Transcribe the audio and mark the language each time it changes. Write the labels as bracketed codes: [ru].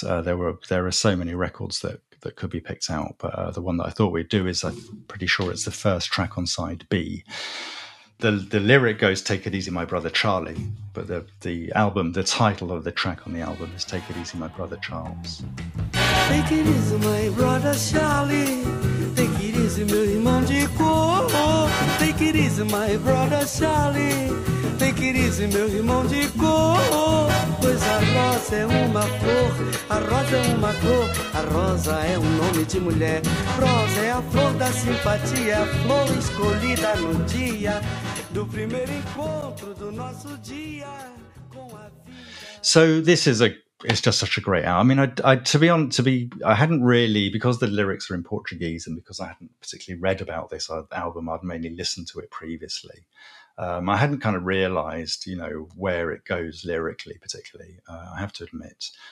[en] There are so many records that could be picked out, but the one that I thought we'd do is, I'm pretty sure it's the first track on side B. The lyric goes, "Take it easy, my brother Charlie," but the title of the track on the album is "Take it easy, my brother Charles." Take it easy, my brother Charlie. Take it easy, [pt] meu irmão de cor. Take it easy, my brother Charlie. [en] Take it easy, [pt] meu irmão de cor. Pois a rosa é uma flor, a rosa é uma cor, a rosa é nome de mulher. Rosa é a flor da simpatia, a flor escolhida no dia do primeiro encontro do nosso dia com a vida. [en] So this is it's just such a great album. I mean, I hadn't really, because the lyrics are in Portuguese and because I hadn't particularly read about this album, I'd mainly listened to it previously. I hadn't kind of realised, you know, where it goes lyrically, particularly, I have to admit.